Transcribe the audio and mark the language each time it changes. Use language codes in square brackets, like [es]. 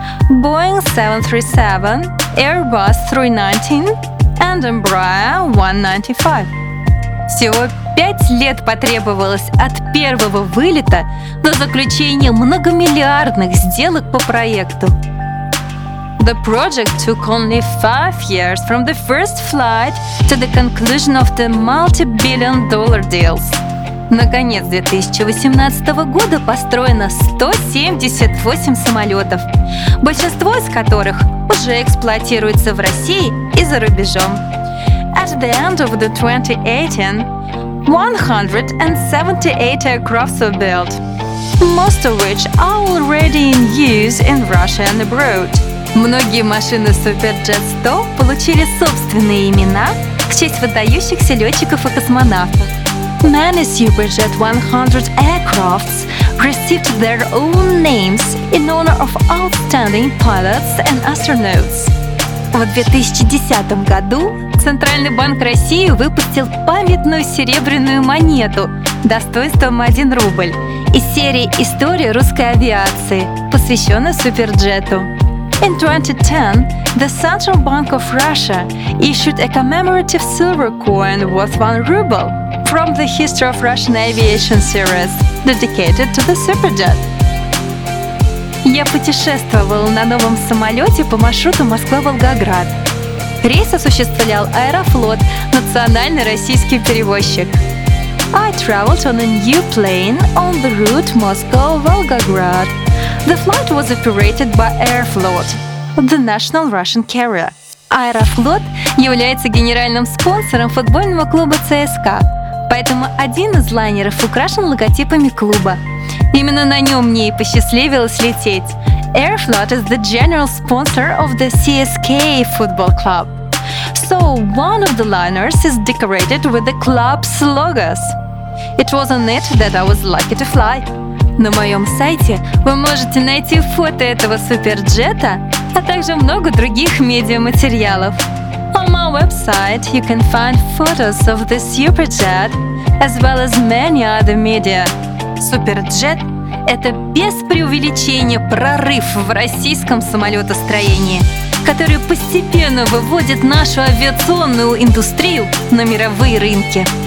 [en] Boeing 737, Airbus 319 and Embraer 195. [ru] Всего 5 лет потребовалось от первого вылета до заключения многомиллиардных сделок по проекту. [en] The project took only 5 years from the first flight to the conclusion of the multi-billion dollar deals. [ru] На конец 2018 года построено 178 самолетов, большинство из которых уже эксплуатируются в России и за рубежом. [en] At the end of the 2018, 178 aircraft were built, most of which are already in use in Russia and abroad. [ru] Многие машины Суперджет 100 получили собственные имена в честь выдающихся летчиков и космонавтов. [en] Many Superjet 100 aircrafts received their own names in honor of outstanding pilots and astronauts. [ru] В 2010 году Центральный банк России выпустил памятную серебряную монету достоинством 1 рубль из серии «История русской авиации», посвященной Суперджету. [en] In 2010, the Central Bank of Russia issued a commemorative silver coin worth 1 ruble from the History of Russian Aviation series, dedicated to the Superjet. [ru] Я путешествовал на новом самолете по маршруту Москва-Волгоград. Рейс осуществлял Аэрофлот, национальный российский перевозчик. [en] I traveled on a new plane on the route Moscow-Volgograd. The flight was operated by Aeroflot, the national Russian carrier. [ru] Аэрофлот является генеральным спонсором футбольного клуба ЦСКА. Поэтому один из лайнеров украшен логотипами клуба. Именно на нем мне и посчастливилось лететь. [en] Aeroflot is the general sponsor of the CSKA football club. So one of the liners is decorated with the club's logos. It was on it that I was lucky to fly. [ru] На моем сайте вы можете найти фото этого суперджета, а также много других медиаматериалов. [en] On my website, you can find photos of the Superjet, as well as many other media. [ru] Суперджет — это без преувеличения прорыв в российском самолетостроении, который постепенно выводит нашу авиационную индустрию на мировые рынки.